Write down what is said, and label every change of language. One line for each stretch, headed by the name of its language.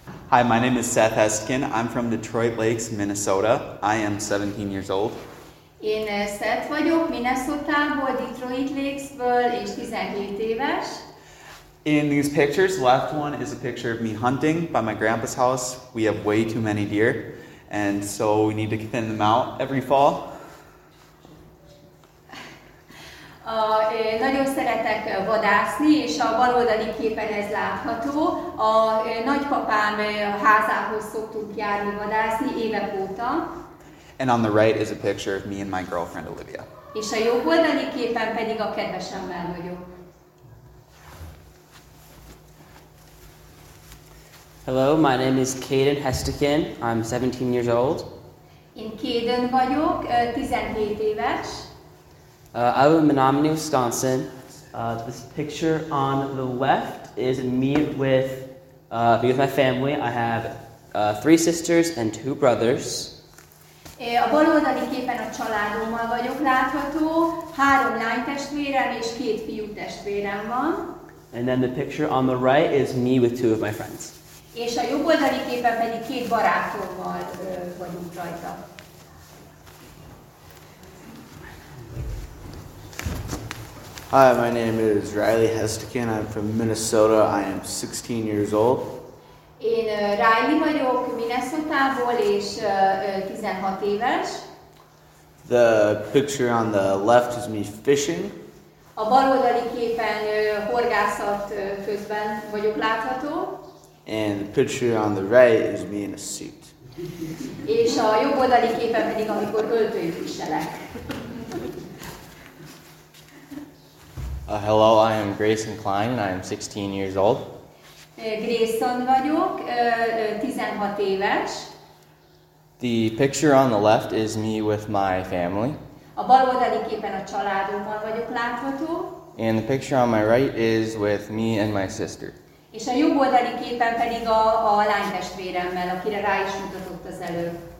English: Hi, my name is Seth Heskin. I'm from Detroit Lakes, Minnesota. I am 17 years old.
Hungarian: Én Seth vagyok, Minnesotából, Detroit Lakesből, és 17 éves.
English: In these pictures, left one is a picture of me hunting by my grandpa's house. We have way too many deer, and so we need to thin them out every fall.
Hungarian: Nagyon szeretek vadászni, és a bal oldali képen ez látható. A nagypapám házához szoktunk járni vadászni évek óta.
English: And on the right is a picture of me and my girlfriend Olivia.
Hungarian: És a jobb oldali képen pedig a kedvesemmel vagyok.
English: Hello, my name is Caden Hestekin. I'm 17 years old.
Hungarian: Én Caden vagyok, 17 éves.
English: I live in Menominee, Wisconsin. This picture on the left is me with my family. I have 3 sisters and 2 brothers.
Hungarian: A bal oldali képen a családommal vagyok látható. 3 lány testvérem és 2 fiú testvérem van.
English: And then the picture on the right is me with 2 of my friends.
Hungarian: És a jobb oldali képen pedig 2 barátommal vagyunk rajta.
English: Hi, my name is Riley Hestekin. I'm from Minnesota. I am 16 years old.
Hungarian: Én Riley vagyok, Minnesotából, és 16 éves.
English: The picture on the left is me fishing.
Hungarian: A bal oldali képen horgászat közben vagyok látható.
English: And the picture on the right is me in a suit.
Hungarian: És a jobb oldali képen pedig, amikor öltönyt viselek.
English: Hello, I am Grayson Klein, and I am 16 years old.
Hungarian: Grayson vagyok, 16 éves.
English: The picture on the left is me with my family.
Hungarian: A bal oldali képen a családommal vagyok látható.
English: And the picture on my right is with me and my sister.
Hungarian: És a jobb oldali képen pedig a lány testvéremmel, akire rá is mutatott az elő.